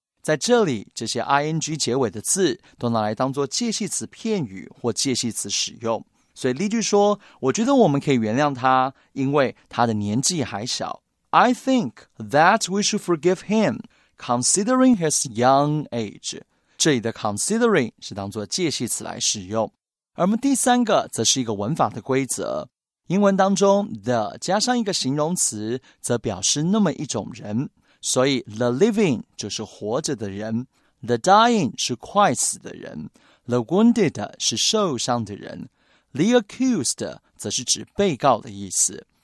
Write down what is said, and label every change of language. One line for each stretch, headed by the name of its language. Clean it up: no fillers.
Chinese: 在这里，这些 ing 结尾的字都拿来当作介系词片语或介系词使用。所以例句说，我觉得我们可以原谅他，因为他的年纪还小。
English: I think that we should forgive him, considering his young age.
Chinese: 这里的 considering 是当作介系词来使用。而我们第三个则是一个文法的规则。英文当中 the 加上一个形容词则表示那么一种人。所以 the living 就是活着的人 ,the dying 是快死的人 ,the wounded 是受伤的人 ,the accused 则是指被告的意思。